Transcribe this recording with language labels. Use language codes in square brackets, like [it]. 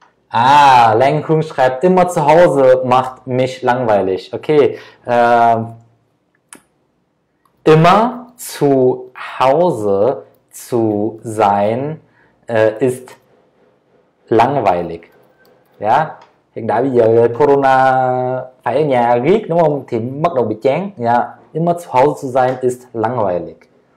[de] Ah, Leng Kung schreibt, immer zu Hause macht mich langweilig. Okay. Immer zu Hause zu sein, ist langweilig. [vi] Ja, hiện tại bây giờ Corona phải ở nhà riết đúng không? Thì bắt đầu bị chán. [de] Ja, immer zu Hause zu sein ist langweilig.